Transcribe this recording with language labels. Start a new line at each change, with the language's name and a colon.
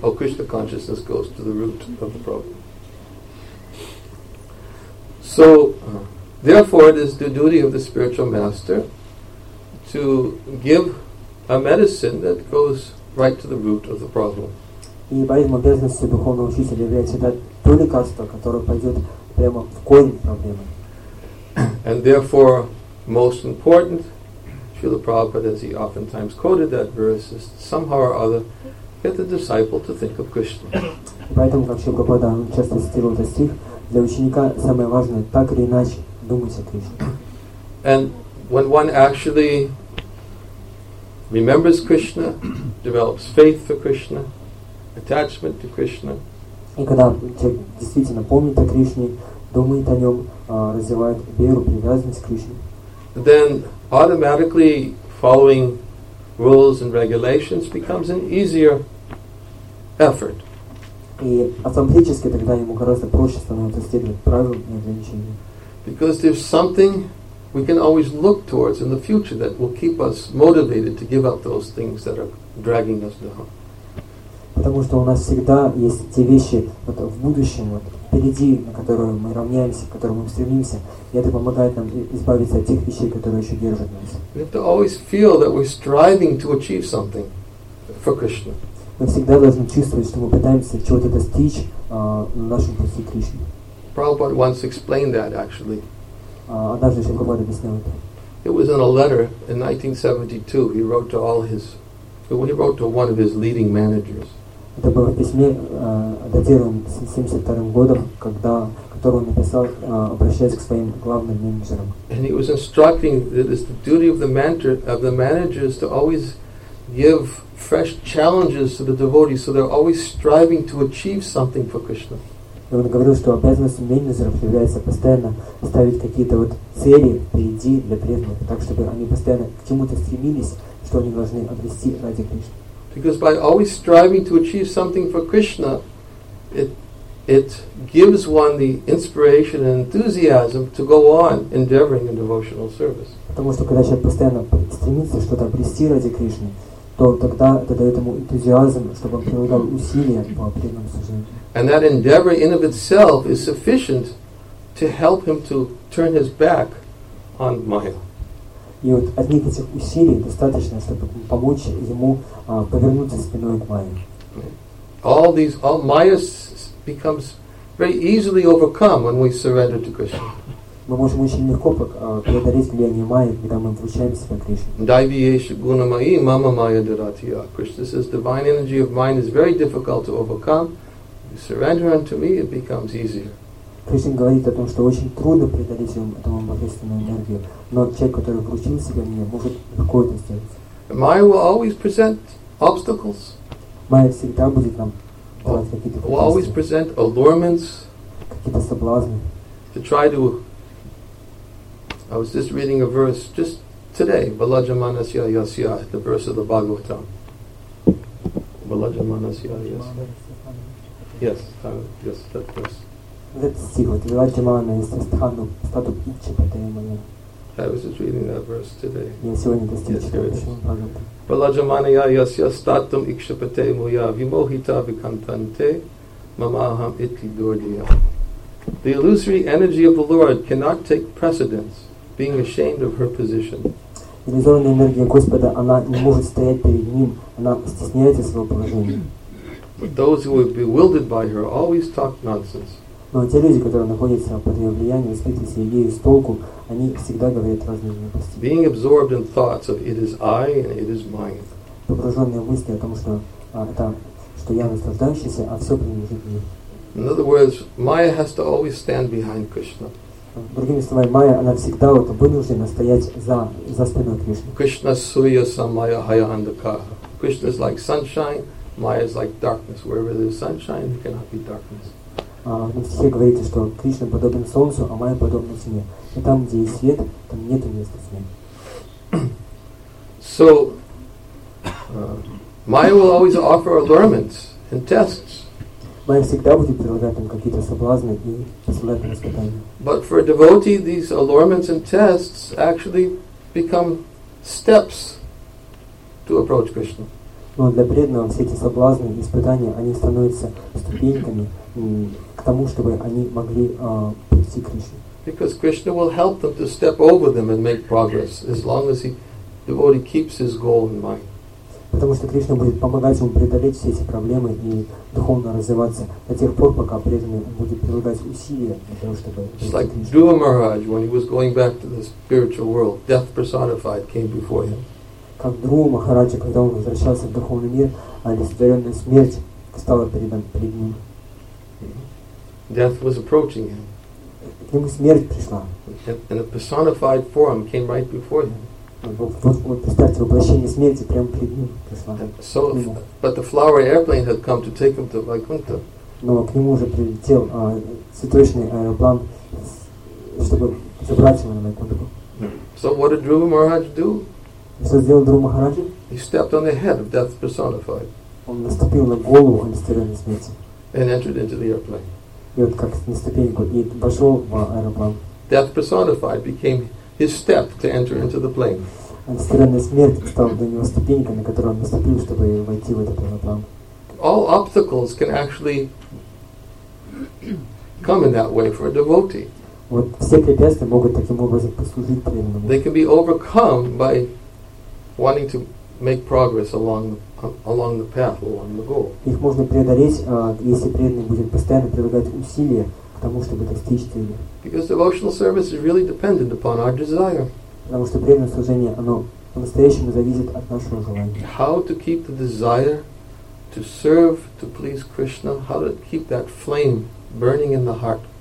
English: Oh, Krishna consciousness goes to the root of the problem. So, therefore, it is the duty of the spiritual master to give a medicine that goes right to the root of the problem.
Russian: И поэтому обязанностью духовного учителя является дать то лекарство, которое пойдет прямо в корень проблемы.
English: And therefore, most important, Srila Prabhupada, as he oftentimes quoted that verse, is somehow or other get the disciple to think of Krishna.
Russian: Поэтому, как Шрила Прабхупада часто цитировал этот стих, для ученика самое важное так или иначе думать о Кришне.
English: And when one actually remembers Krishna, develops faith for Krishna, attachment to Krishna.
Russian: И когда человек действительно помнит о Кришне, думает о нем, развивает веру, привязанность к Кришне.
English: Then automatically following rules and regulations becomes an easier effort.
Russian: И автоматически тогда ему гораздо проще становится следовать правилам и ограничениям.
English: Because there's something we can always look towards in the future that will keep us motivated to give up those things that are dragging us down.
Russian: Потому что у нас всегда есть те вещи вот в будущем, вот впереди, на которые мы равняемся, к которым мы стремимся, и это помогает нам избавиться от тех вещей, которые еще держат нас.
English: We have to always feel that we're striving to achieve something for Krishna.
Russian: Мы всегда должны чувствовать, что мы пытаемся чего-то достичь на нашем пути к Кришне.
English: Prabhupada once explained that actually.
Russian: Однажды Шрила Прабхупада объяснил это.
English: It was in a letter in 1972. He wrote to all his when he wrote to one of his leading managers.
Russian: Это было в письме, датируемом 1972 годом, которое он написал, обращаясь к своим главным менеджерам.
English: And he was instructing that it's the duty of the mentor of the managers to always give fresh challenges to the devotees, so they're always striving to achieve something for Krishna.
Russian: И он говорил, что обязанностью менеджеров является постоянно ставить какие-то вот цели впереди для преданных, так чтобы они постоянно к чему-то стремились, что они должны обрести ради Кришны.
English: Because by always striving to achieve something for Krishna, it gives one the inspiration and enthusiasm to go on endeavoring in devotional service.
Russian: Потому что когда человек постоянно стремится что-то обрести ради Кришны, то тогда это дает ему энтузиазм, чтобы он прилагал усилия по преданному служению.
English: And that endeavor in of itself is sufficient to help him to turn his back on Maya.
Russian: И вот одних этих усилий достаточно, чтобы помочь ему повернуться спиной к Майе.
English: All Maya becomes very easily overcome when we surrender to Krishna.
Russian: Мы можем очень легко преодолеть влияние Майи, когда мы вручаем себя Кришне.
Sanskrit: Дайвиеша гуна майи мама майя даратия.
English: Krishna says, divine energy of mine is very difficult to overcome. You surrender unto me, it becomes easier.
Russian: Кришна говорит о том, что очень трудно преодолеть эту божественную энергию, но человек, который вручил себя мне, может легко это сделать.
English: Майя will always present obstacles.
Russian: Майя всегда будет нам давать какие-то препятствия.
English: Will always present allurements.
Russian: Какие-то соблазны.
English: To try to I was just reading a verse just today, Balajamanasya Yasya, the verse of the Bhagavatam. Balajamanasya Yasya. Yes, that verse. I was just reading that verse today. Yes, here it is.
Sanskrit: Balajamanasya Yasya Statum Ikshapate Muya Vimohita Vikantante Mamaham Iti Durdiya.
English: The illusory energy of the Lord cannot take precedence. Being ashamed of her position.
Russian: Иллюзорная энергия Господа, она не может стоять перед ним, она стесняется своего положения.
English: But those who are bewildered by her always talk nonsense.
Russian: Но те люди, которые находятся под ее влиянием, сбитые ею с толку, они всегда говорят разные глупости.
English: Being absorbed in thoughts of it is I and it is mine.
Russian: Погруженные в мысли о том, что это, что я наслаждающийся, а все принадлежит мне.
English: In other words, Maya has to always stand behind Krishna.
Russian: Другими словами, Майя, она всегда вот вынуждена стоять за спиной Кришны.
Bangla: Krishna Surya Samaya Haya Andhakara.
English: Krishna is like sunshine, Maya is like darkness. Wherever there is sunshine, there cannot be darkness.
Russian: Все говорите, что Кришна подобен солнцу, а Майя подобна тьме. И там, где есть свет, там нет места тьме.
English: So, Maya will always offer allurements and tests.
Russian: Майя всегда будет предлагать им какие-то соблазны и посылать им испытания.
English: But for a devotee, these allurements and tests actually become steps to approach Krishna.
Russian: Но для преданного все эти соблазны и испытания, они становятся ступеньками к тому, чтобы они могли прийти к Кришне.
English: Because Krishna will help them to step over them and make progress, as long as devotee keeps his goal in mind.
Russian: Потому что Кришна будет помогать ему преодолеть все эти проблемы и духовно развиваться до тех пор, пока преданный будет прилагать усилия для того, чтобы...
English: It's like Dhruva Maharaj, when he was going back to the spiritual world, death personified came before him.
Russian: Как Дхрува Махараджа, когда он возвращался в духовный мир, олицетворенная смерть стала перед ним.
English: Death was approaching him.
Russian: К нему смерть пришла.
English: And a personified form came right before him. So, but the flower airplane had come to take him to Vaikuntha.
Russian: Но к нему уже прилетел цветочный аэроплан, чтобы забрать его на Вайкунту.
English: So what did Dhruva Maharaj do?
Russian: Что сделал Дхрува Махараджа?
English: He stepped on the head of death personified.
Russian: Он наступил на голову олицетворенной смерти.
English: And entered into the airplane.
Russian: И вот как на ступеньку и вошел в аэроплан.
English: Death personified became his step to enter into the plane.
Russian: Олицетворенная смерть стала для него ступенькой, на которую он наступил, чтобы войти в этот аэроплан.
English: All obstacles can actually come in that way for a devotee.
Russian: Вот все препятствия могут таким образом послужить преданному.
English: They can be overcome by wanting to make progress along the path, along the goal.
Russian: Их можно преодолеть, если преданный будет постоянно прилагать усилия к тому, чтобы достичь цели.
English: Because devotional service is really dependent upon our desire.
Russian: Потому что преданное служение, оно по-настоящему зависит от нашего желания.
English: How to keep the desire to serve, to please Krishna, how to keep that flame burning in the heart.